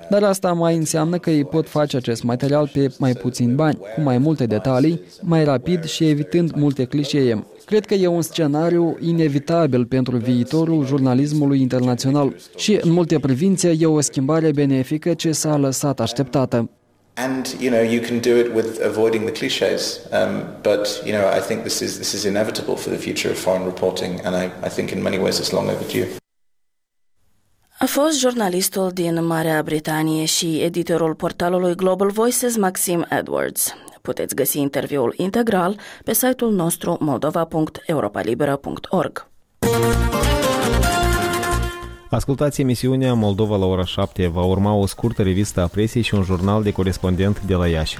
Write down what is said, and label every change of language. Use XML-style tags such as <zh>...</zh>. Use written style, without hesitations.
<ro>Dar asta mai înseamnă că ei pot face acest material pe mai puțin bani, cu mai multe detalii, mai rapid și evitând multe clișee. Cred că e un scenariu inevitabil pentru viitorul jurnalismului internațional și, în multe privințe, e o schimbare benefică ce s-a lăsat așteptată.</ro> <en>And you know you can do it with avoiding the clichés, but you know I think this is inevitable for the future of foreign reporting, and I think in many ways it's long overdue.</en> <ro>A fost jurnalistul din Marea Britanie și editorul portalului Global Voices, Maxim Edwards. Puteți găsi interviul integral pe site-ul nostru moldova.europalibera.org. Ascultați emisiunea Moldova la ora 7. Va urma o scurtă revistă a presiei și un jurnal de corespondent de la Iași.</ro>